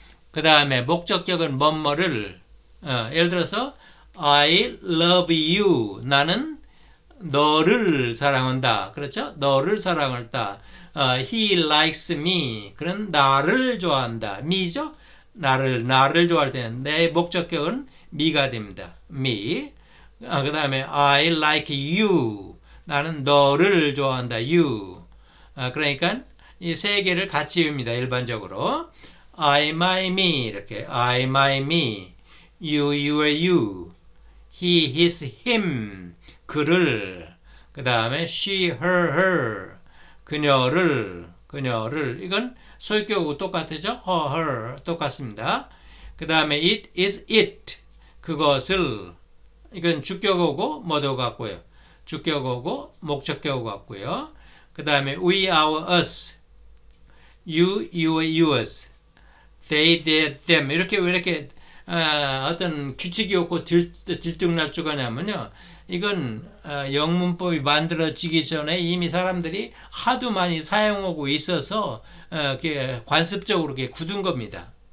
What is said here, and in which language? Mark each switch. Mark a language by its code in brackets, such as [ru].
[ko] 그 다음에 목적격은 뭐뭐를, 예를 들어서 [en] I love you, [ko] 나는 너를 사랑한다. 그렇죠? 너를 사랑한다. [en] He likes me. [ko] 그는 나를 좋아한다. me죠? 나를 좋아할 때는 내 목적격은 me가 됩니다. [en] me. 그 다음에 I like you. [ko] 나는 너를 좋아한다. you. 그러니까 이 세 개를 같이 외웁니다. [en] 일반적으로. I, my, me. 이렇게. I, my, me. You, your, you. He, his, him. [ko] 그를, 그 다음에 she, her, her, 그녀를, 이건 소유격하고 똑같죠? [en] her, her, 똑같습니다. [ko] 그 다음에 it, is, it, 그것을, 이건 주격하고 뭐도 같고요. 주격하고 목적격하고 같고요. [en] 그 다음에 we, our, us, you, your, yours, they, their, them, [ko] 이렇게 어떤 규칙이 없고 들쭉날쭉하냐면요. 이건 영문법이 만들어지기 전에 이미 사람들이 하도 많이 사용하고 있어서 관습적으로 굳은 겁니다.